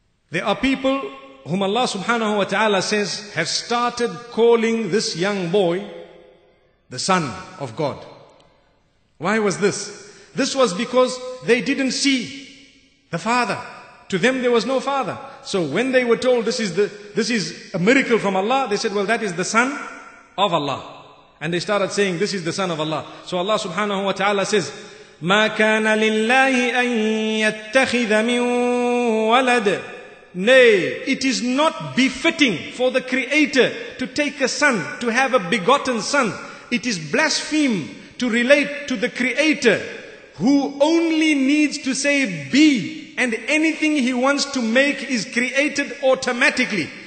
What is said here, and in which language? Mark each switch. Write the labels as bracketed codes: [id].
[en] There are people whom Allah subhanahu wa ta'ala says have started calling this young boy the son of God. Why was this? This was because they didn't see the father. To them there was no father. So when they were told this is a miracle from Allah, they said, well, that is the son of Allah. And they started saying, this is the son of Allah. So Allah subhanahu wa ta'ala says, [ar] مَا كَانَ لِلَّهِ أَن يَتَّخِذَ مِن وَلَدٍ. [en] Nay, it is not befitting for the Creator to take a son, to have a begotten son. It is blaspheme to relate to the Creator who only needs to say be, and anything he wants to make is created automatically.